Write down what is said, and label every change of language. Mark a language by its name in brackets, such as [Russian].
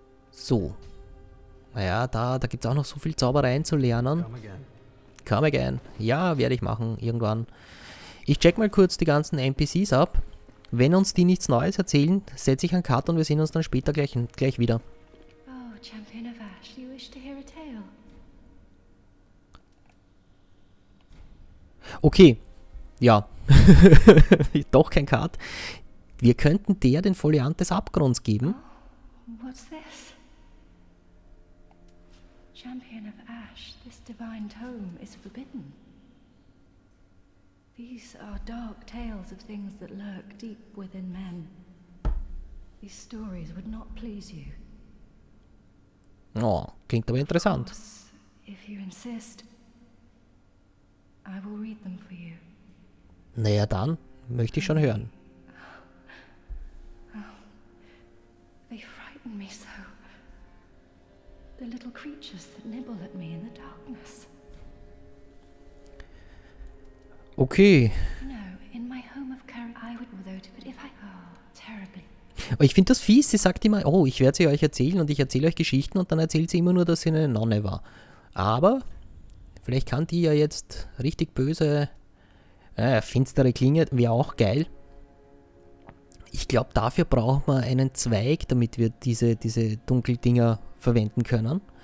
[German] So. Naja, da gibt es auch noch so viel Zaubereien zu lernen. [English] Come again. [German] Ja, werde ich machen, irgendwann. Ich check mal kurz die ganzen NPCs ab. Wenn uns die nichts Neues erzählen, setze ich einen Cut und wir sehen uns dann später gleich wieder. [English] Oh, Champion of Ash, you wish to hear a tale? [German] Okay. Ja. Doch kein Cut. Wir könnten der den Foliant des Abgrunds geben. [English] Oh, what's this? Champion of Ash, this divine tome is forbidden. These are dark tales of things that lurk deep within men. These stories would not please you. [German] Oh, klingt aber interessant. [English] Of course, if you insist, I will read them for you. [German] Naja, dann möchte ich schon hören. [English] They frighten me so. The little creatures that nibble at me in the darkness. Okay. No, in my home of Carrick, I would vote, but if I terribly. [German] Aber ich finde das fies, sie sagt immer, oh, ich werde sie euch erzählen und ich erzähle euch Geschichten und dann erzählt sie immer nur, dass sie eine Nonne war. Aber vielleicht kann die ja jetzt richtig böse, finstere Klinge, wäre auch geil. Ich glaube, dafür brauchen wir einen Zweig, damit wir diese Dunkeldinger verwenden können.